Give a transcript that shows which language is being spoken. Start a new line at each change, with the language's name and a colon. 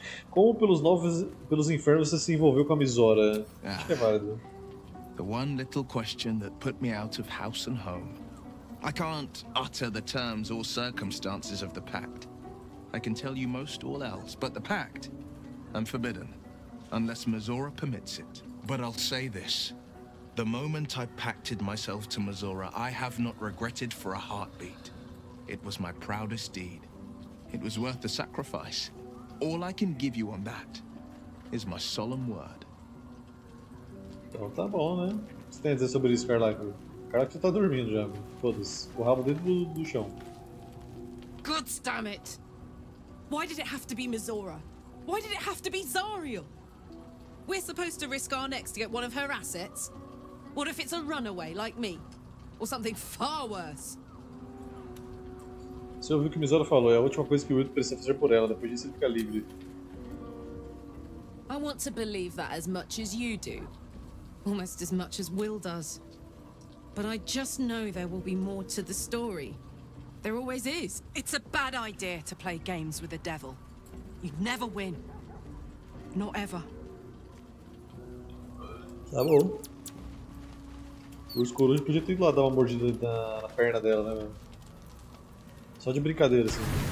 Portuguese: Como pelos infernos você se envolveu com a Misora? Acho que é válido.
English: The one little question that put me out of house and home. I can't utter the terms or circumstances of the pact. I can tell you most all else, but the pact, I'm forbidden. Unless Mizora permits it. But I'll say this. The moment I pacted myself to Mizora, I have not regretted for a heartbeat. It was my proudest deed. It was worth the sacrifice. All I can give you on that is my solemn word.
Portuguese: Então tá bom, né? O que você tem a dizer sobre isso, Carlyle? Caraca, você tá dormindo já. Foda-se. O rabo dentro do chão.
English: God damn it! Why did it have to be Mizora? Why did it have to be Zariel? We're supposed to risk our necks to get one of her assets. What if it's a runaway, like me? Or something far worse?
Portuguese: Você ouviu o que Mizora falou? É a última coisa que o Will precisa fazer por ela. Depois disso, ele fica livre.
English: I want to believe that as much as you do. Almost as much as Will does. But I just know there will be more to the story. There always is. It's a bad idea to play games with the devil. You'd never win. Not ever.
Portuguese: Tá bom. O escorujo podia ter ido lá dar uma mordida na perna dela, né, mano? Só de brincadeira, assim.